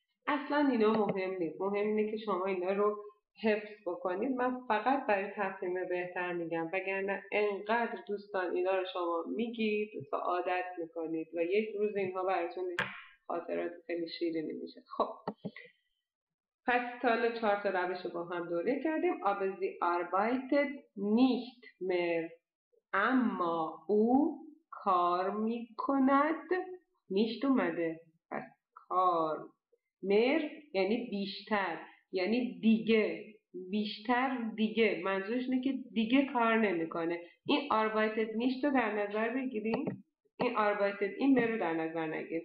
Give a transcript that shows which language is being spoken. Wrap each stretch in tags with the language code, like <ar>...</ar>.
<fa>اصلا اینا مهم نیست، مهم اینه که شما اینا رو حفظ بکنید. من فقط برای تفهیم بهتر میگم، وگرنه انقدر دوستان اینا رو شما میگید و عادت میکنید و یک روز اینها براتون خاطرات خیلی شیرینی میشه. خب پس تا حالا 4 تا روش رو با هم دوره کردیم.</fa> <de>Aber sie arbeitet nicht mehr.</de> <fa>اما او کار می کند. Nicht اومده. پس کار. Mehr یعنی بیشتر. یعنی دیگه. بیشتر دیگه. منظورش اینه که دیگه کار نمی کنه. این</fa> <de>arbeitet nicht</de> <fa>رو در نظر بگیریم. این arbeitet این مر رو در نظر نگیریم.</fa>